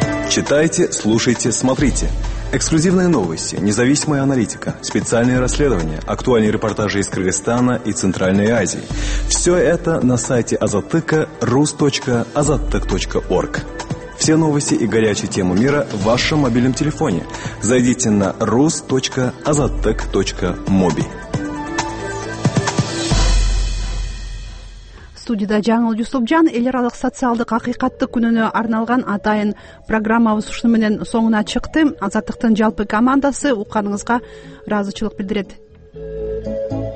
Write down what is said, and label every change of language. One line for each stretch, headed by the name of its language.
Russian: Читайте, слушайте, смотрите. Эксклюзивные новости, независимая аналитика, специальные расследования, актуальные репортажи из Кыргызстана и Центральной Азии. Все это на сайте azattyk.ru/azattyk.org. Все новости и горячие темы мира в вашем мобильном телефоне. Зайдите на rus.azattyk.mobi.
Kyrgyz: Студияда Жаңыл Жусупжан эл аралык социалдык акыйкатты күнүнө арналган атайын программабыз ушуну менен соңуна чыкты. Азаттыктын жалпы командасы уканыңызга ыраазычылык билдирет.